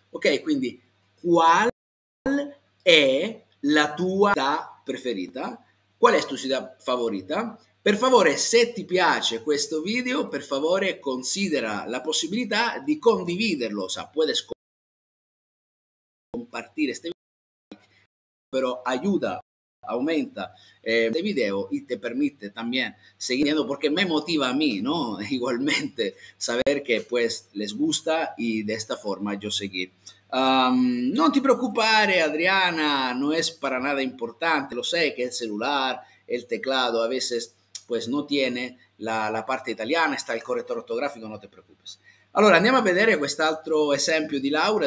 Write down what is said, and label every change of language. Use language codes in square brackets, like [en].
[it] Ok, quindi qual è la tua città preferita? Qual è la tua città favorita? Per favore, se ti piace questo video, per favore considera la possibilità di condividerlo, compartire questo video, però aiuta aumenta. [es] Este video y te permite también seguir, porque me motiva a mí, ¿no? Igualmente, saber que pues les gusta y de esta forma yo seguir. [it] Non ti preoccupare, [es] Adriana, no es para nada importante. Lo sé que el celular, el teclado, a veces pues no tiene la parte italiana, está [it] il correttore ortografico, non te preoccupes. Allora, andiamo a vedere quest'altro esempio di Laura.